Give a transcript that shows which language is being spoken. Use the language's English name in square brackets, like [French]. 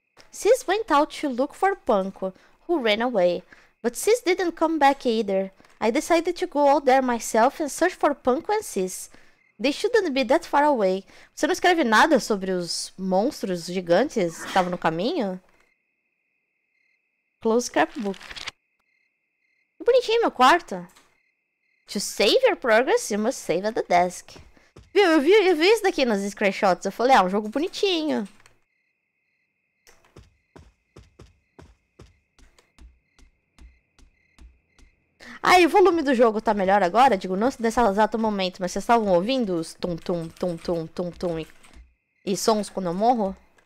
[English] Sis went out to look for Panko, who ran away. But Sis didn't come back either. I decided to go out there myself and search for Panko and Sis. They shouldn't be that far away. [Portuguese] Você não escreve nada sobre os monstros gigantes que estavam no caminho? [English] Close scrapbook. [Portuguese] Que bonitinho meu quarto. [English] To save your progress, you must save at the desk. [Portuguese] Viu, eu vi isso daqui nos screenshots. Eu falei, ah, um jogo bonitinho. Aí, o volume do jogo tá melhor agora? Digo, não nesse exato momento, mas vocês estavam ouvindo os tum-tum, tum-tum, tum-tum e sons quando eu morro?